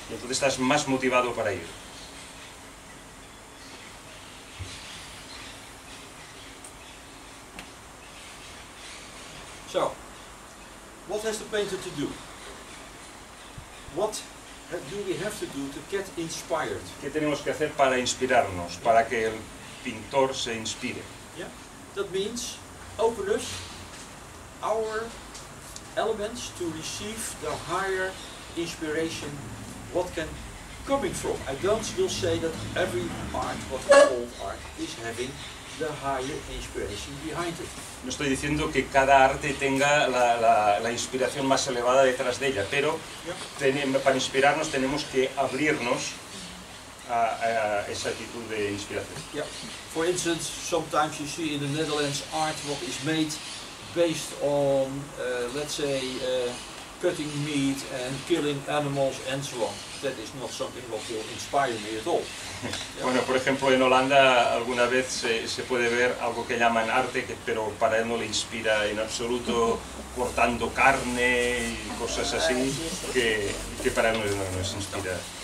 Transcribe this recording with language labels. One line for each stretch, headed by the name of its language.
Spanish: Y entonces estás más motivado para ir.
English: So, what has the painter to do? What do we have to do to get inspired?
Spanish: ¿Qué tenemos que hacer para inspirarnos, yeah, para que el pintor se inspire?
English: Yeah, that means open us our elements to receive the higher inspiration. What can coming from? I don't will say that every art, what we call art, is having the higher inspiration behind it.
Spanish: No estoy diciendo que cada arte tenga la inspiración más elevada detrás de ella, pero para inspirarnos tenemos que abrirnos a esa actitud de inspiración.
English: Yeah. For instance, sometimes you see in the Netherlands art what is made based on, let's say, cutting meat and killing animals and so on. That is not something that will inspire me at all. Yeah.
Spanish: Bueno, por ejemplo, en Holanda alguna vez se puede ver algo que llaman arte, pero para él no le inspira en absoluto cortando carne y cosas así, que para él no es inspirar.